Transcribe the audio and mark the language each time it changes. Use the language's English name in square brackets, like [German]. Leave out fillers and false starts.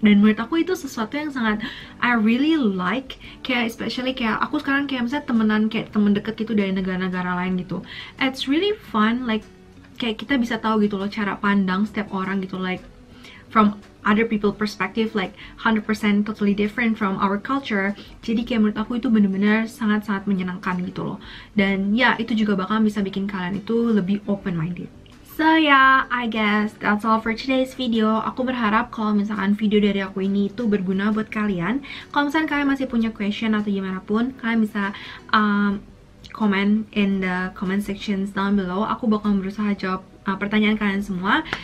[Indonesian] Dan menurut aku itu sesuatu yang sangat [English] I really like, [Indonesian] kayak [English] especially [Indonesian] kayak aku sekarang kayak misalnya temenan kayak temen deket gitu dari negara-negara lain gitu, [English] it's really fun, like [Indonesian] kayak kita bisa tahu gitu loh cara pandang setiap orang gitu, [English] like from other people perspective, like 100% totally different from our culture. [Indonesian] Jadi kayak menurut aku itu benar-benar sangat-sangat menyenangkan gitu loh. Dan ya, itu juga bakal bisa bikin kalian itu lebih open-minded. [English] So yeah, I guess that's all for today's video. [Indonesian] Aku berharap kalau misalkan video dari aku ini itu berguna buat kalian. Kalau misalkan kalian masih punya question atau gimana pun, kalian bisa [English] comment in the comment sections down below. [Indonesian] Aku bakal berusaha jawab pertanyaan kalian semua.